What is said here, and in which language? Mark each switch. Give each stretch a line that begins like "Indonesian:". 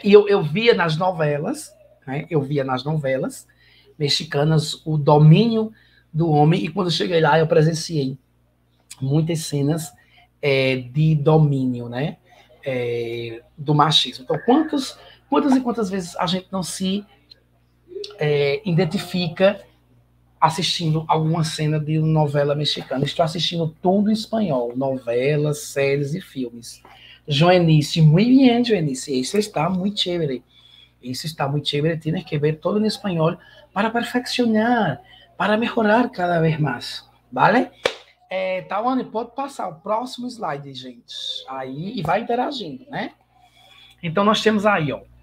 Portuguese: E eu via nas novelas, né? Eu via nas novelas mexicanas o domínio do homem, e quando eu cheguei lá, eu presenciei muitas cenas de domínio, né? Do machismo. Então, quantas e quantas vezes a gente não se identifica assistindo alguma cena de novela mexicana? Estou assistindo tudo em espanhol, novelas, séries e filmes.
Spanish: Joenice, muy bien, Joenice.
Portuguese: Isso está muito chévere. Isso está muito chévere. Tiene que ver todo em espanhol para perfeccionar, para melhorar cada vez mais. Vale? Thauanny, pode passar o próximo slide, gente. Aí, e vai interagindo, né? Então, nós temos aí, ó.